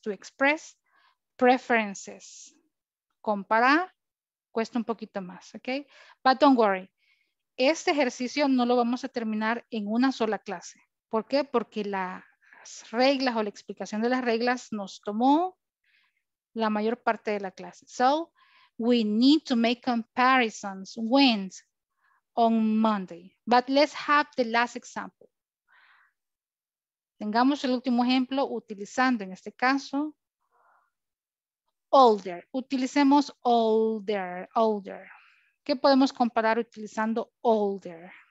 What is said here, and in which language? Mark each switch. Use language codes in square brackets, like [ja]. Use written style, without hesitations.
[en] To express preferences. [es] Comparar cuesta un poquito más. [en] Okay? But don't worry. [es] Este ejercicio no lo vamos a terminar en una sola clase. ¿Por qué? Porque las reglas o la explicación de las reglas nos tomó la mayor parte de la clase. [en] So, we need to make comparisons when on Monday. But let's have the last example. [es] Tengamos el último ejemplo utilizando en este caso older. Utilicemos older. ¿Qué podemos comparar utilizando older?